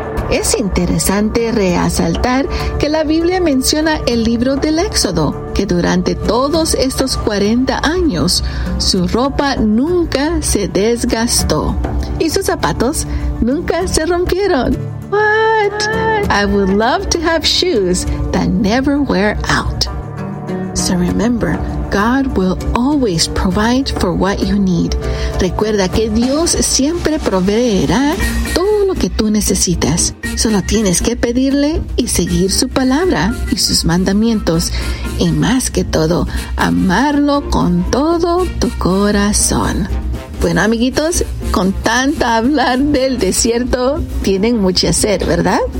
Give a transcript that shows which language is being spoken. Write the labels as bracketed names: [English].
[Spanish] Es interesante resaltar que la Biblia menciona el libro del Éxodo, que durante todos estos 40 años, su ropa nunca se desgastó y sus zapatos nunca se rompieron. [English] What? I would love to have shoes that never wear out. So remember, God will always provide for what you need. [Spanish] Recuerda que Dios siempre proveerá todo lo que tú necesitas. Solo tienes que pedirle y seguir su palabra y sus mandamientos. Y más que todo, amarlo con todo tu corazón. Bueno, amiguitos, con tanto hablar del desierto, tienen mucha sed, ¿verdad?